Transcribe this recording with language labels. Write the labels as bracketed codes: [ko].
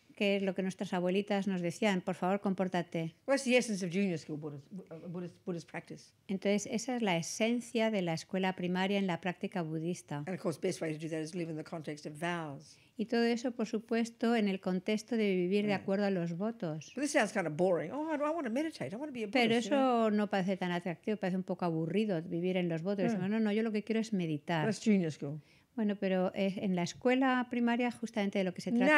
[es] Que es lo que nuestras abuelitas nos decían, por favor, compórtate. [en] What's the essence of junior school Buddhist practice? [es] Entonces, esa es la esencia de la escuela primaria en la práctica budista. [en] And of course, the best way to do that is live in the context of vows. [es] Y todo eso, por supuesto, en el contexto de vivir de acuerdo a los votos. [en] But this sounds kind of boring. Oh, I want to meditate. I want to be a Buddhist. [es] Pero eso no parece tan atractivo, parece un poco aburrido vivir en los votos. Yeah. No, yo lo que quiero es meditar. [en] That's junior school. [es] Bueno, pero es en la escuela primaria justamente de lo que se trata.